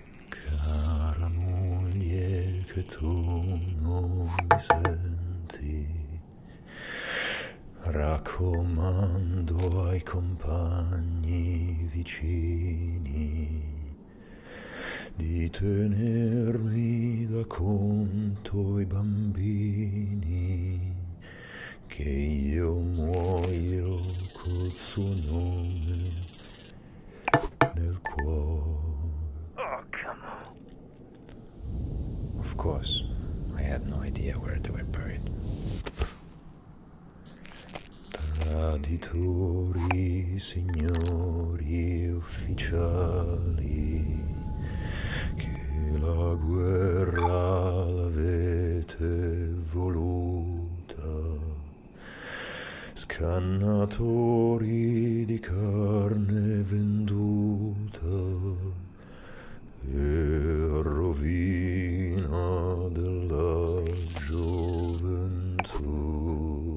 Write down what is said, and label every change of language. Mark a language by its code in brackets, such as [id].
[it] "Cara moglie, che tu non mi senti, raccomando ai compagni vicini di tenermi da conto i bambini, che io muoio col suo nome nel cuore." [en] Oh, come on. Of course, I had no idea where they were buried. [it] "Traditori, signori ufficiali, la guerra l'avete voluta, scannatori di carne venduta e rovina della gioventù."